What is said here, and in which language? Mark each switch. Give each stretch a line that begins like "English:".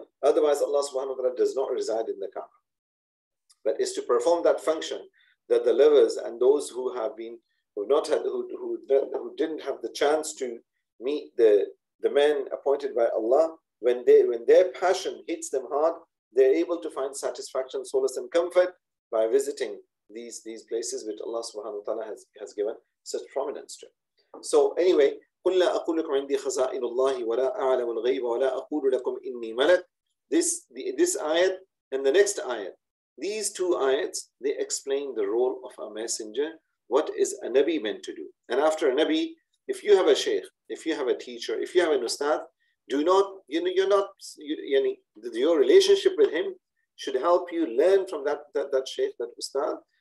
English: Otherwise, Allah subhanahu wa ta'ala does not reside in the Kaaba. But it's to perform that function that the lovers and those who have been who didn't have the chance to meet the men appointed by Allah, when their passion hits them hard, they're able to find satisfaction, solace, and comfort by visiting these places which Allah subhanahu wa ta'ala has given such prominence to. So anyway,
Arabic: قُلْ أَقُولُ لَكُمْ عِنْدِي خَزَائِنُ اللَّهِ وَلَا أَعْلَمُ الْغَيْبَ وَلَا أَقُولُ لَكُمْ إِنِّي مَلَكٌ
English: This ayat and the next ayat. These two ayats, they explain the role of a messenger. What is a Nabi meant to do? And after a Nabi, if you have a sheikh, if you have a teacher, if you have an ustad, your relationship with him should help you learn from that sheikh, that ustad.